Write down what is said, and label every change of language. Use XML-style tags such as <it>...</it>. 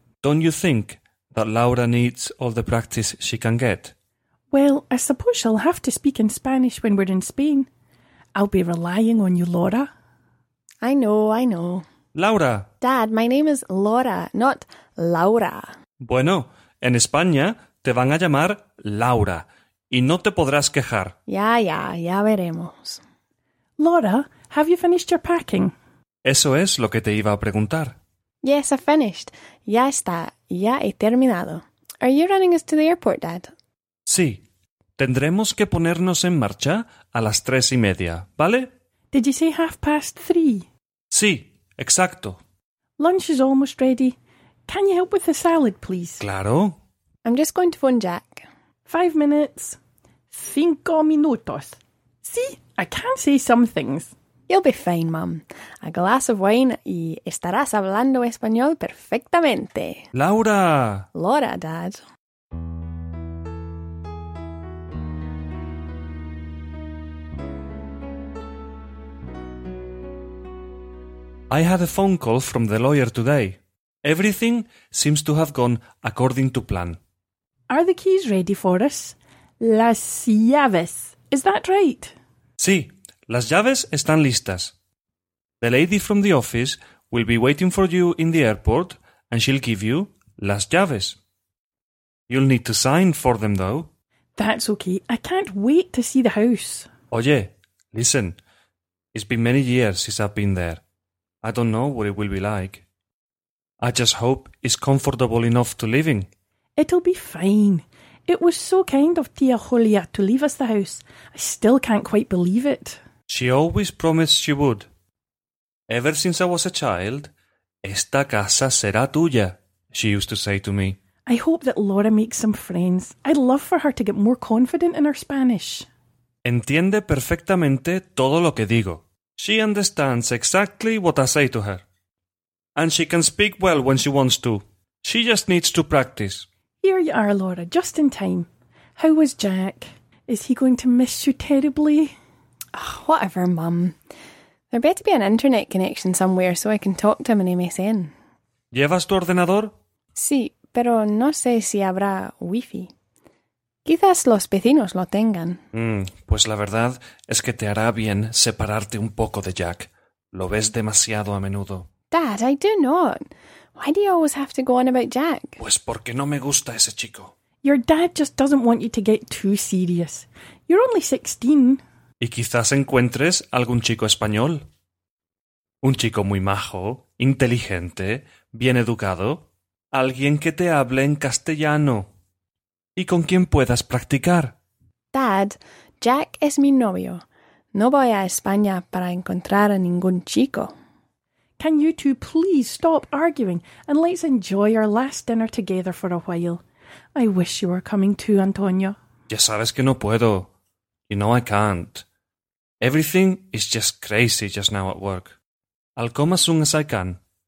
<en>Don't you think that Laura needs all the practice she can get? Well, I suppose she'll have to speak in Spanish when we're in Spain. I'll be relying on you, Laura. I know, I know. Laura. Dad, my name is Laura, not Laura.</en> <es>Bueno, en España te van a llamar Laura y no te podrás quejar. Ya, ya, ya veremos.</es> <en>Laura, have you finished your packing?</en> <es>Eso es lo que te iba a preguntar.</es> <en>Yes, I've finished.</en> <es>Ya está, ya he terminado.</es> <en>Are you running us to the airport, Dad?</en> <es>Sí, tendremos que ponernos en marcha a las 3:30, ¿vale?</es> <en>Did you say 3:30?</en> <es>Sí, exacto.</es> <en>Lunch is almost ready. Can you help with the salad, please?</en> <es>Claro.</es> <en>I'm just going to phone Jack. 5 minutes.</en> <es>5 minutos.</es> <en>See, I can say some things. You'll be fine, Mum. A glass of wine</en> <es>y estarás hablando español perfectamente.</es> <en>Laura. Laura, Dad. I had a phone call from the lawyer today. Everything seems to have gone according to plan. Are the keys ready for us?</en> <es>Las llaves.</es> <en>Is that right?</en> <es>Sí, las llaves están listas.</es> <en>The lady from the office will be waiting for you in the airport and she'll give you</en> <es>las llaves.</es> <en>You'll need to sign for them, though. That's okay. I can't wait to see the house.</en> <es>Oye,</es> <en>listen. It's been many years since I've been there. I don't know what it will be like. I just hope it's comfortable enough to live in. It'll be fine. It was so kind of Tia Julia to leave us the house. I still can't quite believe it. She always promised she would. Ever since I was a child,</en> <es>esta casa será tuya,</es> <en>she used to say to me. I hope that Laura makes some friends. I'd love for her to get more confident in her Spanish.</en> <es>Entiende perfectamente todo lo que digo.</es> <en>She understands exactly what I say to her. And she can speak well when she wants to. She just needs to practice. Here you are, Laura, just in time. How was Jack? Is he going to miss you terribly? Oh, whatever, Mum. There better be an internet connection somewhere so I can talk to him on MSN.</en> <es>¿Llevas tu ordenador? Sí, pero no sé si habrá wifi. Quizás los vecinos lo tengan. Pues la verdad es que te hará bien separarte un poco de Jack. Lo ves demasiado a menudo.</es> <en>Dad, I do not. Why do you always have to go on about Jack?</en> <es>Pues porque no me gusta ese chico.</es> <en>Your dad just doesn't want you to get too serious. You're only 16.</en> <es>Y quizás encuentres algún chico español. Un chico muy majo, inteligente, bien educado. Alguien que te hable en castellano. Y con quien puedas practicar. Dad, Jack es mi novio. No voy a España para encontrar a ningún chico.</es> <en>Can you two please stop arguing and let's enjoy our last dinner together for a while? I wish you were coming too, Antonio.</en> <es>Ya sabes que no puedo.</es> <en>You know I can't. Everything is just crazy just now at work. I'll come as soon as I can.</en>